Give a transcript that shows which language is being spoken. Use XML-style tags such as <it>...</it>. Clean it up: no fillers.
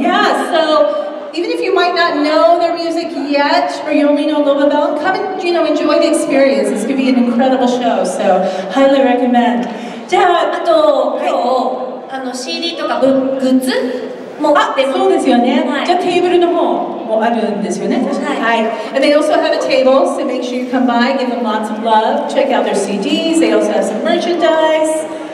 <en>Yeah, so even if you might not know their music yet, or you only know Loba Bell, come and you know enjoy the experience. This could be an incredible show. So, highly recommend.</en> <ja>じゃあ、あと今日、あの CD とかグッズも売ってます。あ、そうですよね。じゃあテーブルの方</ja> <en>And they also have a table, so make sure you come by, give them lots of love, check out their CDs, they also have some merchandise.</en>